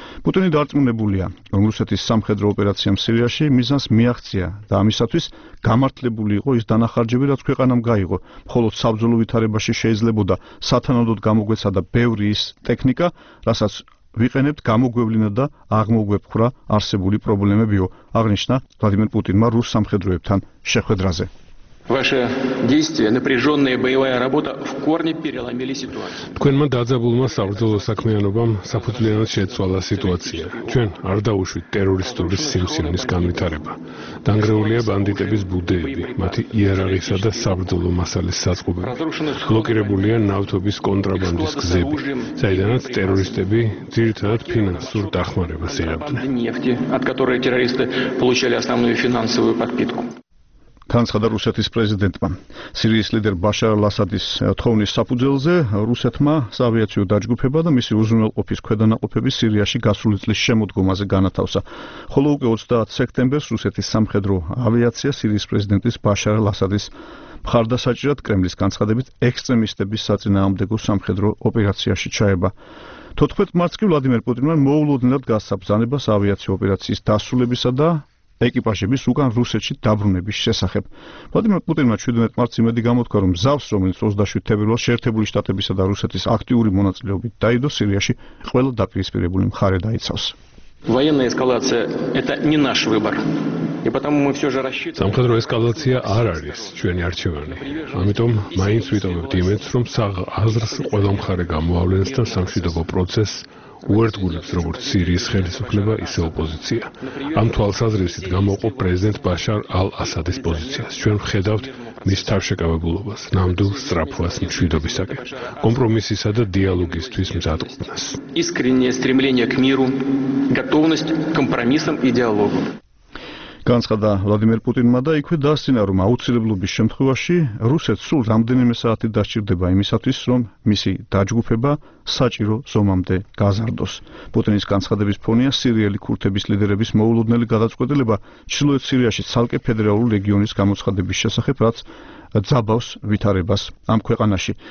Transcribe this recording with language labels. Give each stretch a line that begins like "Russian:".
Georgian: პუტინი დარწმუნებულია, რომ რუსეთის სამხედრო ოპერაციამ სირიაში მიზანს მიაღწია და ამისათვის გამართლებული იყო ის დანახარჯები, რაც ქვეყანამ გაიღო. მხოლოდ საბრძოლო ვითარებაში შეიძლებოდა სათანადოდ გამოგვეცა და ბევრი ის ტექნიკა, რასაც ვიყენებთ, გამოგვევლინა და აღმოგვეფხვრა არსებული პრობლემებიო, აღნიშნა ვლადიმერ პუტინმა რუს სამხედროებთან შეხვედრაზე.
Russian: Ваше действие, напряжённая боевая работа в корне переломили ситуацию.
Georgian: თქვენმა დაძაბულმა საბრძოლო საქმიანობამ საფუძვლიანად შეცვალა ситуация. ჩვენ არ დაუშვით ტერორისტული სიმსივნის განვითარება. დანგრეულია ბანდიტების ბუდეები, მათი იარაღისა და საბრძოლო მასალის საწყობები. ბლოკირებულია ნავთობის კონტრაბანდის გზები, საიდანაც ტერორისტები ძირითადად ფინანსურ დახმარებას იღებდნენ.
Russian: Нефти, от которой террористы получали основную финансовую подпитку.
Georgian: განცხადა რუსეთის პრეზიდენტმა. სირიის ლიდერ ბაშარ ალ-ასადის თხოვნის საფუძველზე რუსეთმა საავიაციო დაჯგუფება და მისი უზრუნველყოფის ქვედანაყოფები სირიაში გასული წლის შემოდგომაზე განათავსა. ხოლო უკვე 30 სექტემბერს რუსეთის სამხედრო ავიაცია სირიის პრეზიდენტის ბაშარ ალ-ასადის მხარდასაჭერად კრემლის განცხადებით ექსტრემისტების საწინააღმდეგო სამხედრო ოპერაციაში ჩაება. 14 მარტს კი ვლადიმერ პუტინმა მოულოდნელად გასცა ბრძანება საავიაციო ოპერაციის დასრულებისა და ეკიპაჟების უკან რუსეთში დაბრუნების შესახებ. ვლადიმერ პუტინმა 17 მარტს იმედი გამოთქვა, რომ ზავს, რომელიც 27 თებერვალს შეერთებული შტატებისა და რუსეთის აქტიური მონაწილეობით დაიდო სირიაში, ყველა დაპირისპირებული მხარე დაიცავს.
Russian: Военная эскалация это не наш выбор. И потому мы всё же рассчитываем.
Georgian: Самхедро эскалация არ არის ჩვენი არჩევანი. ამიტომ მაინც ვიტოვებთ იმედს, რომ აზრს ყველა მხარე გამოავლენს და სამშვიდობო პროცესს უერთგულებს როგორც სირიის ხელისუფლება, ისე ოპოზიცია. ამ თვალსაზრისით გამოყოფ პრეზიდენტ ბაშარ ალ-ასადის პოზიციას. ჩვენ ვხედავთ მის თავშეკავებულობას, ნამდვილ სწრაფვას მშვიდობისაკენ, კომპრომისისა და დიალოგისთვის მზადყოფნას.
Russian: Искреннее стремление к миру, готовность к компромиссам и диалогу.
Georgian: განცხადა ვლადიმერ პუტინმა და იქვე დასწინა, რომ აუცილებლობის შემთხვევაში რუსეთს სულ რამდენიმე საათი დასჭირდება იმისათვის, რომ მისი დაჯგუფება საჭირო ზომამდე გაზარდოს. პუტინის განცხადების ფონია სირიელი ქურთების ლიდერების მოულოდნელი გადაწყვეტილება ჩრდილოეთ სირიაში ცალკე ფედერალურ რეგიონის გამოცხადების შესახებ, რაც ძაბავს ვითარებას ამ ქვეყანაში.